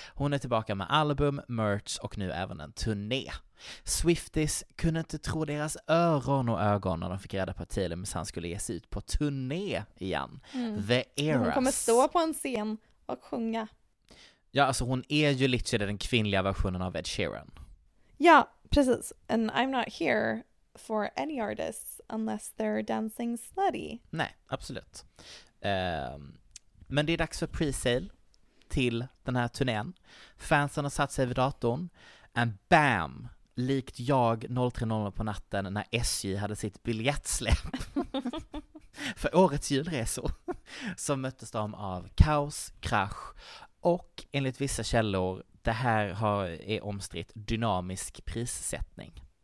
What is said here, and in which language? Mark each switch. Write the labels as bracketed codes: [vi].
[sv] Hon är tillbaka med album, merch och nu även en turné. Swifties kunde inte tro deras öron och ögon när de fick reda på att Taylor Swift skulle ge sig ut på turné igen. Mm. The Eras. Hon kommer stå på en scen och sjunga. Ja, alltså hon är ju literally den kvinnliga versionen av Ed Sheeran. Ja, precis. [en] And I'm not here for any artists unless they're dancing slutty. [sv] Nej, absolut. Men det är dags för pre-sale till den här turnén. Fansen har satt sig vid datorn. [en] And bam! [sv] Likt jag 03:00 på natten när SJ hade sitt biljettsläpp för årets julresor så möttes de av kaos, krasch och enligt vissa källor, det här har, är omstritt, dynamisk prissättning.